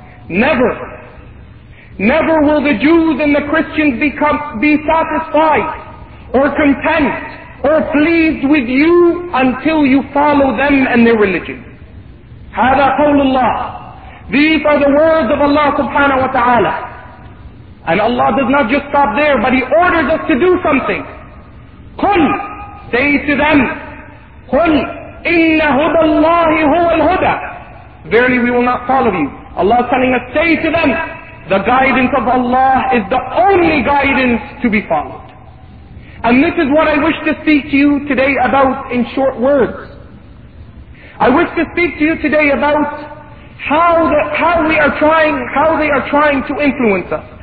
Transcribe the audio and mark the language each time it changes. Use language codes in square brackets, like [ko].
[en] Never, never will the Jews and the Christians be satisfied or content or pleased with you until you follow them and their religion. [ar] هَذَا قَوْلُ اللَّهِ. [en] These are the words of Allah subhanahu wa ta'ala. And Allah does not just stop there, but He orders us to do something. [ar] قُلْ, [en] say to them, [ar] قُلْ إِنَّ هُدَى اللَّهِ هُوَ الْهُدَى. [en] Verily we will not follow you. Allah is telling us, say to them, the guidance of Allah is the only guidance to be followed. And this is what I wish to speak to you today about in short words. I wish to speak to you today about how they are trying to influence us.